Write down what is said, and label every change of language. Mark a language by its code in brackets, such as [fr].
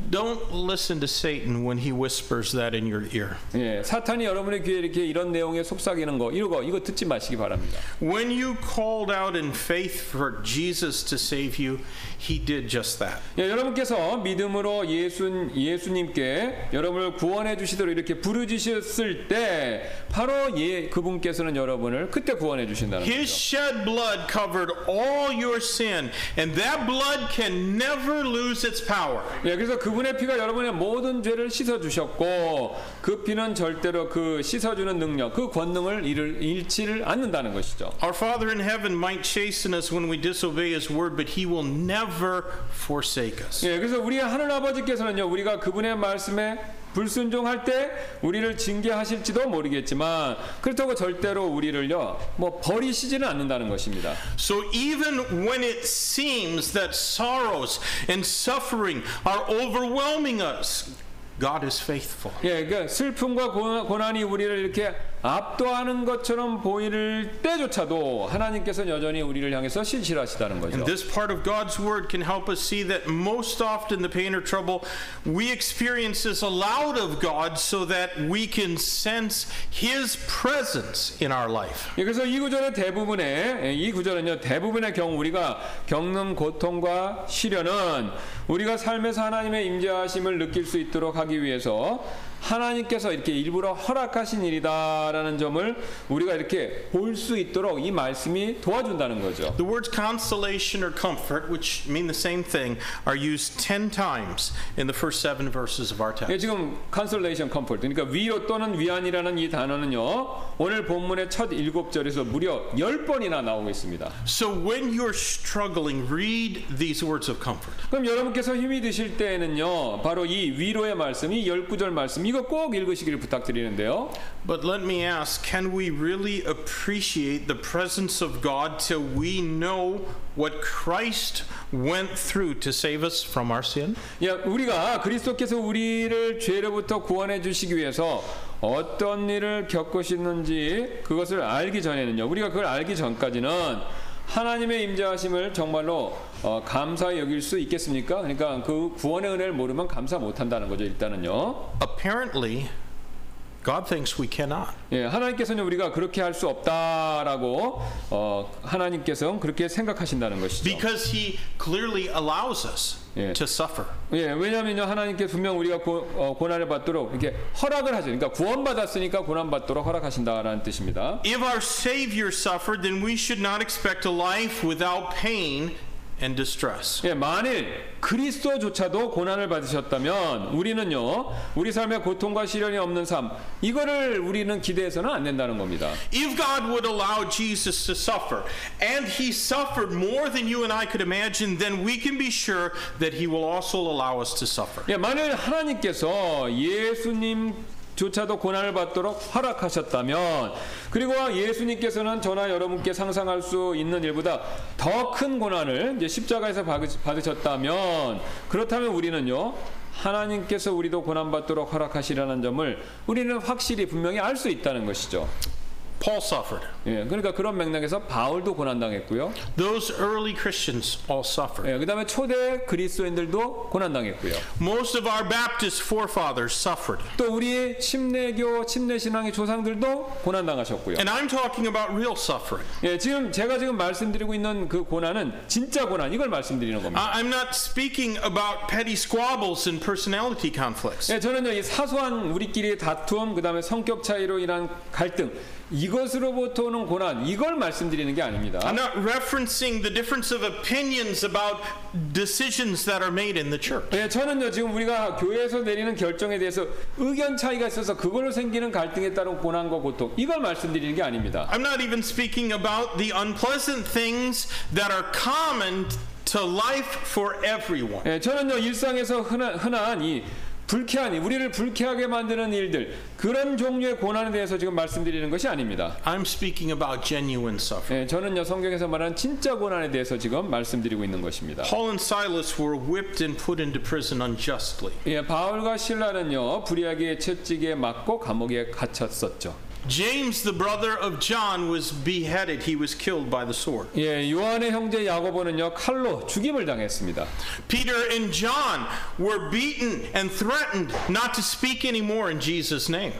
[en] Don't listen to Satan when he whispers that in your ear. [ko] 예, 사탄이 여러분의 귀에 이렇게 이런 내용에 속삭이는 거 이거 듣지 마시기 바랍니다. [en] When you called out in faith for Jesus to save you, he did just that. [ko] 예, 여러분께서 믿음으로 예수님께 여러분을 구원해 주시도록 이렇게 부르짖으셨을 때 바로 예 그분께서는 여러분을 그때 구원해 [en] His shed blood covered all your sin, and that blood can never lose its power. [ko] 예, 그래서 그분의 피가 여러분의 모든 죄를 씻어 주셨고, 그 피는 절대로 그 씻어주는 능력, 그 권능을 잃지를 않는다는 것이죠. [en] Our Father in heaven might chasten us when we disobey His word, but He will never forsake us. [ko] 예, 그래서 우리의 하늘 아버지께서는요, 우리가 그분의 말씀에 불순종할 때 우리를 징계하실지도 모르겠지만 그렇다고 절대로 우리를요 뭐 버리시지는 않는다는 것입니다. [en] So even when it seems that sorrows and suffering are overwhelming us, God is faithful. [ko] 예, 그러니까 슬픔과 고난이 우리를 이렇게 압도하는 것처럼 보일 때조차도 하나님께서는 여전히 우리를 향해서 신실하시다는 거죠. [en] And this part of God's word can help us see that most often the pain or trouble we experience is allowed of God so that we can sense His presence in our life. [ko] 예, 그래서 이 구절은요 대부분의 경우 우리가 겪는 고통과 시련은 우리가 삶에서 하나님의 임재하심을 느낄 수 있도록 하기 위해서 하나님께서 이렇게 일부러 허락하신 일이다라는 점을 우리가 이렇게 볼 수 있도록 이 말씀이 도와준다는 거죠. [en] The words consolation or comfort, which mean the same thing, are used 10 times in the first 7 verses of our text. [ko] 예, 지금 consolation, comfort, 그러니까 위로 또는 위안이라는 이 단어는요, 오늘 본문의 첫 7절에서 무려 10번이나 나오고 있습니다. [en] So when you're struggling, read these words of comfort. [ko] 그럼 여러분께서 힘이 드실 때에는요, 바로 이 위로의 말씀이 19절 말씀 이거 꼭 읽으시기를 부탁드리는데요. [en] But let me ask, can we really appreciate the presence of God till we know what Christ went through to save us from our sin? [ko] 야, 우리가 그리스도께서 우리를 죄로부터 구원해 주시기 위해서 어떤 일을 겪으셨는지 그것을 알기 전에는요. 우리가 그걸 알기 전까지는 하나님의 임재하심을 정말로 감사히 여길 수 있겠습니까? 그러니까 그 구원의 은혜를 모르면 감사 못 한다는 거죠, 일단은요. [en] Apparently God thinks we cannot. [ko] 예, 하나님께서는 우리가 그렇게 할 수 없다라고 하나님께서는 그렇게 생각하신다는 것이죠. [en] Because he clearly allows us to suffer. [ko] 예, 왜냐면요, 하나님께서 분명 우리가 고난을 받도록 이렇게 허락을 하죠. 그러니까 구원받았으니까 고난 받도록 허락하신다라는 뜻입니다. [en] If our Savior suffered, then we should not expect a life without pain and distress. [ko] 예, 만일 그리스도조차도 고난을 받으셨다면 우리는요, 우리 삶에 고통과 시련이 없는 삶, 이거를 우리는 기대해서는 안 된다는 겁니다. [en] If God would allow Jesus to suffer, and he suffered more than you and I could imagine, then we can be sure that he will also allow us to suffer. [ko] 예, 만일 하나님께서 예수님 조차도 고난을 받도록 허락하셨다면 그리고 예수님께서는 저나 여러분께 상상할 수 있는 일보다 더 큰 고난을 이제 십자가에서 받으셨다면 그렇다면 우리는요 하나님께서 우리도 고난 받도록 허락하시라는 점을 우리는 확실히 분명히 알 수 있다는 것이죠. [en] Paul suffered. [ko] 예, 그러니까 그런 맥락에서 바울도 고난당했고요. [en] Those early Christians all suffered. [ko] 예, 그다음에 초대 그리스도인들도 고난당했고요. [en] Most of our Baptist forefathers suffered. [ko] 또 우리 침례교 침례신앙의 조상들도 고난당하셨고요. [en] And I'm talking about real suffering. [ko] 예, 지금 제가 지금 말씀드리고 있는 그 고난은 진짜 고난 이걸 말씀드리는 겁니다. [en] I'm not speaking about petty squabbles and personality conflicts. [ko] 예, 저는요 이 사소한 우리끼리의 다툼 그다음에 성격 차이로 인한 갈등 이것으로부터 오는 고난 이걸 말씀드리는 게 아닙니다. [en] I'm not referencing the difference of opinions about decisions that are made in the church. [ko] 예, 저는요 지금 우리가 교회에서 내리는 결정에 대해서 의견 차이가 있어서 그걸로 생기는 갈등에 따른 고난과 고통 이걸 말씀드리는 게 아닙니다. [en] I'm not even speaking about the unpleasant things that are common to life for everyone. [ko] 예, 저는요 일상에서 흔한 이 불쾌한 일, 우리를 불쾌하게 만드는 일들 그런 종류의 고난에 대해서 지금 말씀드리는 것이 아닙니다. [en] I'm speaking about genuine suffering. [ko] 예, 저는요 성경에서 말하는 진짜 고난에 대해서 지금 말씀드리고 있는 것입니다. [en] Paul and Silas were whipped and put into prison unjustly. [ko] 예, 바울과 실라는요 불의하게 채찍에 맞고 감옥에 갇혔었죠. [en] James, the brother of John, was beheaded. He was killed by the sword. [ko] 예, 요한의 형제 야고보는요 칼로 죽임을 당했습니다. [en] Peter and John were beaten and threatened not to speak anymore in Jesus' name.